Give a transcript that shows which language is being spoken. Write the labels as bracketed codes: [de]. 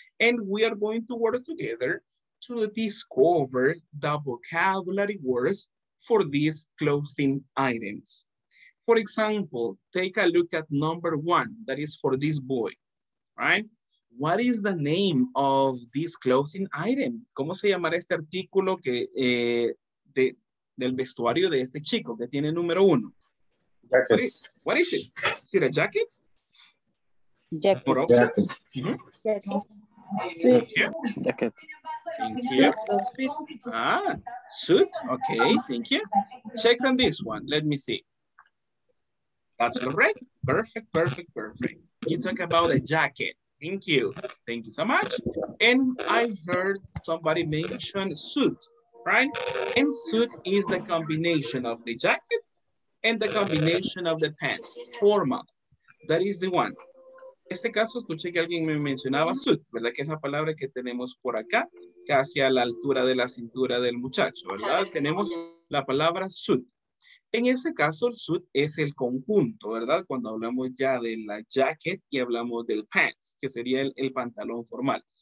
[en] And we are going to work together to discover the vocabulary words for these clothing items. For example, take a look at number 1, that is for this boy, right? What is the name of this clothing item? [es] ¿Cómo se llamará este artículo que del vestuario de este chico que tiene número 1? [en] What is it? Is it a jacket? Jacket. For jacket. Mm-hmm. Jacket. Thank you. Suit. Okay, thank you. Check on this one. Let me see. That's correct. Perfect, perfect, perfect. You talk about a jacket. Thank you. Thank you so much. And I heard somebody mention suit, right? And suit is the combination of the jacket and the combination of the pants. Formal. That is the one. [es] En este caso, escuché que alguien me mencionaba suit, ¿verdad? Que es la palabra que tenemos por acá, casi a la altura de la cintura del muchacho, ¿verdad? Tenemos la palabra suit. En ese caso, el suit es el conjunto, ¿verdad? Cuando hablamos ya de la jacket y hablamos del pants, que sería el pantalón formal.